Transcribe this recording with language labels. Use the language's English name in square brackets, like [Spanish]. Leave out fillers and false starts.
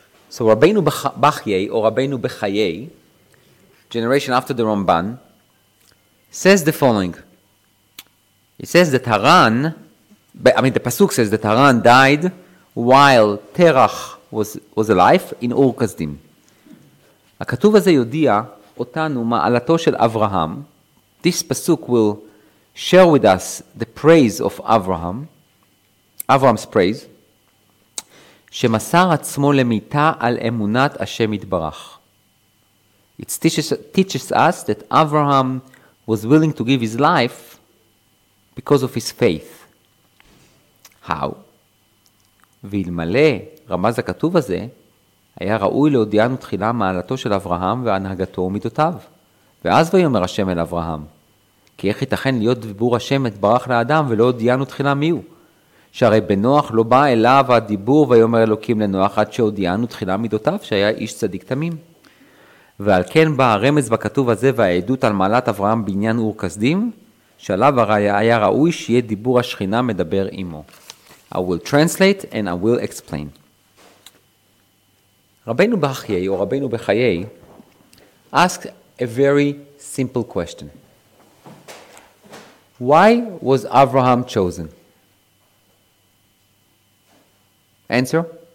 [English] So Rabbeinu Bachyei, or Rabbeinu Bechayei, generation after the Ramban, says the following. It says that the Pasuk says that Haran died while Terach was alive in Ur Kasdim. [Hebrew] הכתוב הזה יודיע אותנו מעלתו של אברהם. [English] This pasuk will share with us the praise of Abraham, Abraham's praise, [Hebrew] שמסר עצמו למיתה על אמונת השם יתברך. [English] It teaches us that Abraham was willing to give his life because of his faith. How? [Hebrew] וילמלא רמז הכתוב הזה, היה ראוי להודיענו תחילה מעלתו של אברהם והנהגתו ומידותיו. ואז ויאמר השם אל אברהם, כי איך ייתכן להיות דיבור השם יתברך לאדם ולא הודיענו תחילה מיהו? שהרי בנוח לא בא אליו הדיבור ויאמר אלוקים לנוח עד שהודיענו תחילה מידותיו שהיה איש צדיק תמים. ועל כן בא הרמז בכתוב הזה והעדות על מעלת אברהם בעניין אור כסדים, שעליו היה ראוי שיהיה דיבור השכינה מדבר עמו. [English] I will translate and I will explain. Rabbeinu Bachyei, or Rabbeinu Bechayei, asked a very simple question. Why was Avraham chosen? Answer?